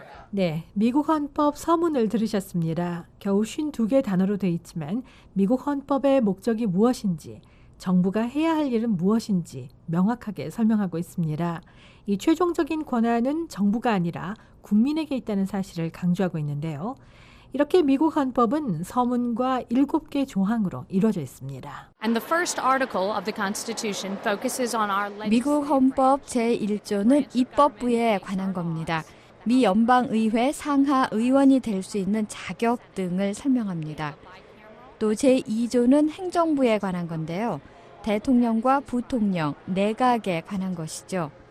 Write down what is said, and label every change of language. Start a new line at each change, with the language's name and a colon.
Korean: 네, 미국 헌법 서문을 들으셨습니다. 겨우 52개 단어로 되어 있지만 미국 헌법의 목적이 무엇인지, 정부가 해야 할 일은 무엇인지 명확하게 설명하고 있습니다. 이 최종적인 권한은 정부가 아니라 국민에게 있다는 사실을 강조하고 있는데요. 이렇게 미국 헌법은 서문과 7개 조항으로 이루어져 있습니다.
English: And the first article of the Constitution focuses on our legislative.
Korean: 미국 헌법 제1조는 입법부에 관한 겁니다. 미 연방의회 상하 의원이 될 수 있는 자격 등을 설명합니다. 또 제2조는 행정부에 관한 건데요. 대통령과 부통령, 내각에 관한 것이죠.